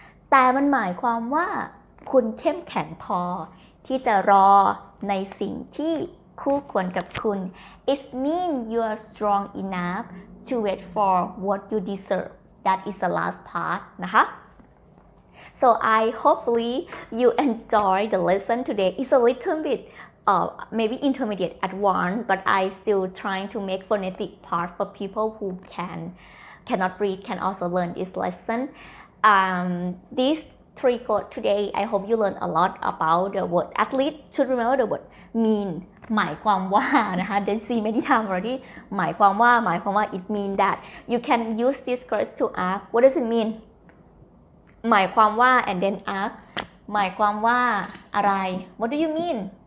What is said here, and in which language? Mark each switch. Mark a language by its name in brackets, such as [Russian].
[Thai] แต่มันหมายความว่าคุณเข้มแข็งพอที่จะรอในสิ่งที่คู่ควรกับคุณ [English] it mean you are strong enough to wait for what you deserveThat is the last part, นะคะ So I hopefully you enjoy the lesson today. It's a little bit, maybe intermediate at one, but I still trying to make phonetic part for people who can cannot read can also learn this lesson. These three quotes today, I hope you learn a lot about the word. At least should remember the word mean. หมายความว่านะคะ Did see many times already. หมายความว่าit mean that you can use this quotes to ask what does it mean. หมายความว่า and then ask หมายความว่าอะไร What do you mean?